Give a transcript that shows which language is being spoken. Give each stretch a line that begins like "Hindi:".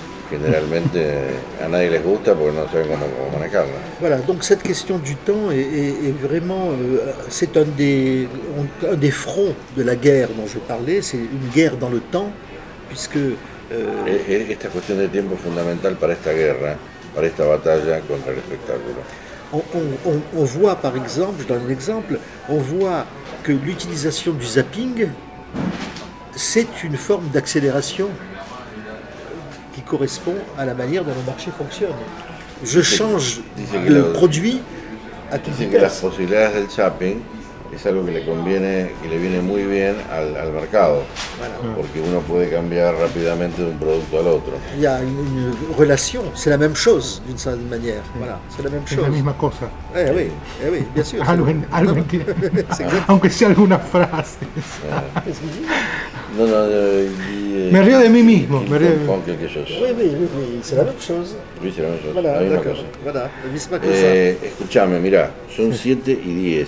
French: Généralement,
Spanish: à nadie les gusta porque no saben cómo manejarla.
French: Voilà, donc cette question du temps est vraiment, c'est un des fronts de la guerre dont je parlais, c'est une guerre dans le temps, puisque...
Spanish: Esta cuestión de tiempo es fundamental para esta guerra, para esta batalla contra el espectáculo.
French: On voit par exemple, je donne un exemple, on voit que l'utilisation du zapping, c'est une forme d'accélération qui correspond à la manière dont le marché fonctionne. Je change de produit à toute vitesse.
Spanish: Las posibilidades del zapping es algo que le conviene, que le viene muy bien al mercado, porque uno puede cambiar rápidamente de un producto al otro.
French: Il y a une relation, c'est la même chose d'une certaine manière. Voilà, c'est la même chose.
Spanish: La misma cosa.
French: Oui, bien sûr.
Spanish: Algo entiendo. Aunque sea alguna frase.
French: Non, non,
Spanish: me río de mí mismo. Me río de mí.
French: Quelque chose. Oui, c'est la même chose. Oui, c'est la même chose. Voilà,
Spanish: la misma cosa.
French: Voilà,
Spanish: la misma cosa. Escúchame, mira, son 7 y 10.